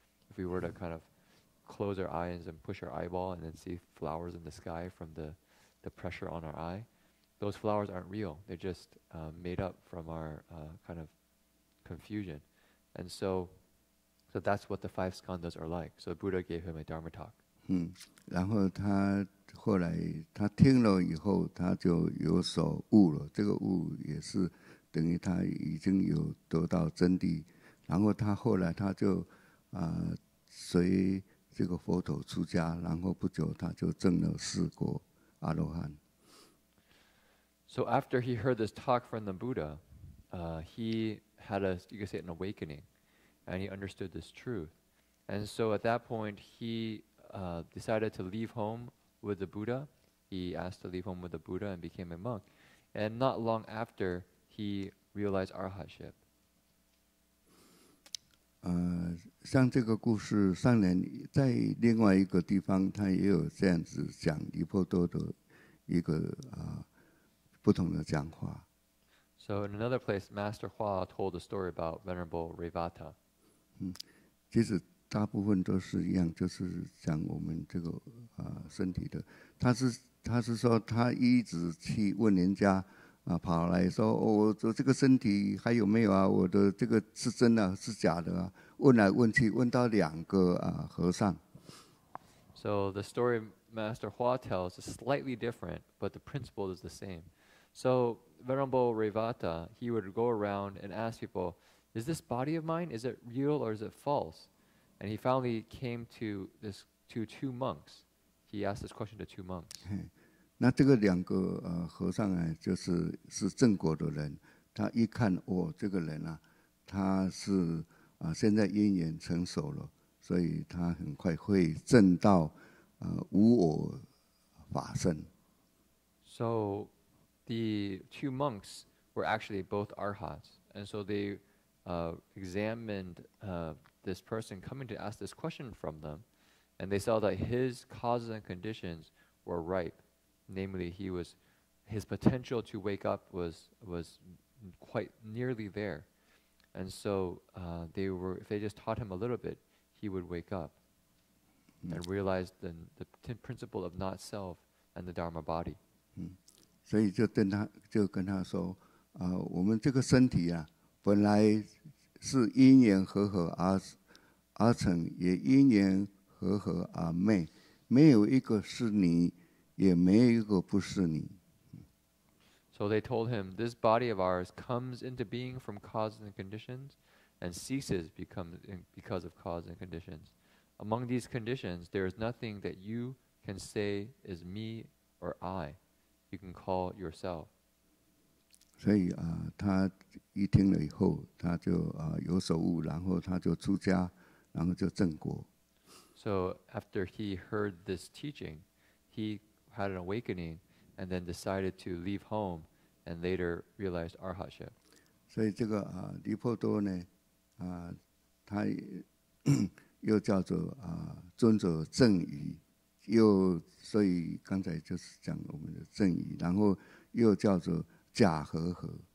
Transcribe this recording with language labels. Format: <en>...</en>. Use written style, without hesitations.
<en>If we were to kind of close our eyes and push our eyeball and then see flowers in the sky from the pressure on our eye, those flowers aren't real. They're just made up from our kind of confusion. And so that's what the five skandhas are like. So Buddha gave him a Dharma talk.</en> <zh>然后他后来他听了以后他就有所悟了。这个悟也是等于他已经有得到真谛，然后他后来他就随这个佛陀出家，然后不久他就证了四果阿罗汉。</zh> <en>So after he heard this talk from the Buddha, he had a, you could say, an awakening, and he understood this truth. And so at that point, he decided to leave home with the Buddha. He asked to leave home with the Buddha and became a monk. And not long after,He realized arhatship.</en> <zh>像这个故事，上人在另外一个地方，他也有这样子讲尼波多的一个不同的讲话。</zh> <en>So in another place, Master Hua told a story about Venerable Rivatta.</en> <zh>其实大部分都是一样，就是讲我们这个身体的。他是说他一直去问人家。跑来说、哦、我这个身体还有没有啊？我的这个是真的、啊、是假的啊？问来问去，问到两个和尚。</zh> <en>So the story Master Hua tells is slightly different, but the principle is the same. So Venerable Rivatta, he would go around and ask people, "Is this body of mine? Is it real or is it false?" And he finally came to two monks. He asked this question to two monks.</en> <zh>那这个两个和尚啊，就是正果的人，他一看哦，这个人啊，他是现在因缘成熟了，所以他很快会证到无我法身。</zh> <en>So the two monks were actually both arhats, and so they examined this person coming to ask this question from them, and they saw that his causes and conditions were ripe. Namely, his potential to wake up was quite nearly there. And so if they just taught him a little bit, he would wake up and realize the principle of not self and the Dharma body.</en> <zh>所以就跟他就跟他说啊、我们这个身体啊本来是因缘和合而成，也因缘和合而灭，没有一个是你，也没有一个不是你。</zh> <en>So they told him, this body of ours comes into being from causes and conditions and ceases because of causes and conditions. Among these conditions, there is nothing that you can say is me or I. You can call yourself.</en> <zh>所以、他一听了以后他就、有所悟，然后他就出家，然后就证果。</zh> <en>So after he heard this teaching, he had an awakening and then decided to leave home and later realized arhatship.</en> <zh>所以这个离婆多呢、他又叫做、尊者正语，又所以刚才就是讲我们的正语，然后又叫做假和合。</zh>